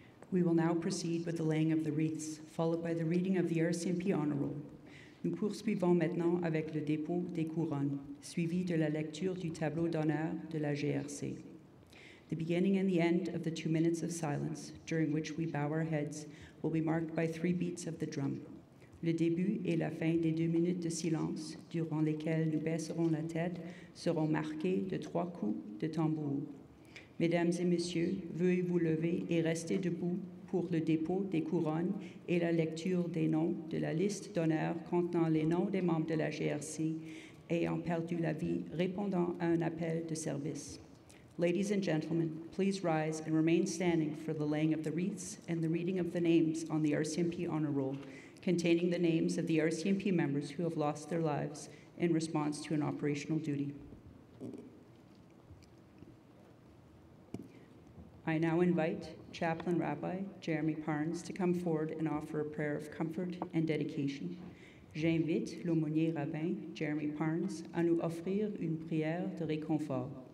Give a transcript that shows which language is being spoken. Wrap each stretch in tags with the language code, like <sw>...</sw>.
<en>We will now proceed with the laying of the wreaths, followed by the reading of the RCMP honor roll.</en> <fr>Nous poursuivons maintenant avec le dépôt des couronnes, suivi de la lecture du tableau d'honneur de la GRC.</fr> <en>The beginning and the end of the 2 minutes of silence, during which we bow our heads, will be marked by 3 beats of the drum.</en> <fr>Le début et la fin des 2 minutes de silence, durant lesquelles nous baisserons la tête, seront marqués de 3 coups de tambour. Mesdames et messieurs, veuillez vous lever et rester debout pour le dépôt des couronnes et la lecture des noms de la liste d'honneur contenant les noms des membres de la GRC ayant perdu la vie répondant à un appel de service.</fr> <en>Ladies and gentlemen, please rise and remain standing for the laying of the wreaths and the reading of the names on the RCMP honor roll, containing the names of the RCMP members who have lost their lives in response to an operational duty. I now invite Chaplain Rabbi Jeremy Parnes to come forward and offer a prayer of comfort and dedication.</en> <fr>J'invite l'aumônier rabbin Jeremy Parnes à nous offrir une prière de réconfort.</fr>